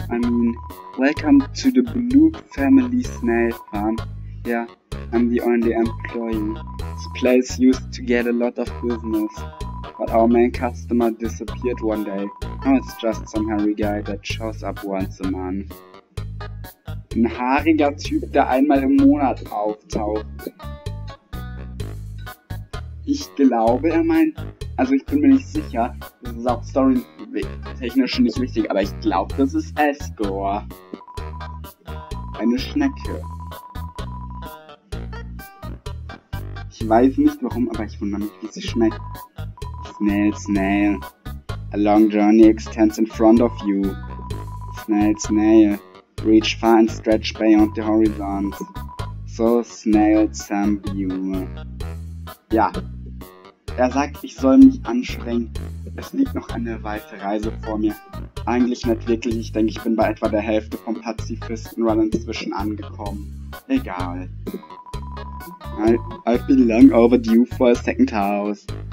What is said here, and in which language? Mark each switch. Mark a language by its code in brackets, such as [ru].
[en] I mean, welcome to the Blue Family Snail Farm. Yeah, I'm the only employee. This place used to get a lot of business. But our main customer disappeared one day. Now it's just some hairy guy that shows up once a month. [de] Ein haariger Typ, der einmal im Monat auftaucht. Ich glaube, er meint... Also ich bin mir nicht sicher. Das ist auch story-technisch nicht wichtig, aber ich glaube, das ist Escor. Eine Schnecke. Ich weiß nicht warum, aber ich wundere mich, wie sie schmeckt. [en] Snail, snail, a long journey extends in front of you. Snail, snail, reach far and stretch beyond the horizons. So snail, [de] Sambiume. Ja, er sagt, ich soll mich anstrengen. Es liegt noch eine weite Reise vor mir. Eigentlich nicht wirklich, ich denke, ich bin bei etwa der Hälfte vom Pazifisten-Run inzwischen angekommen. Egal. [en] I've been long overdue for a second house.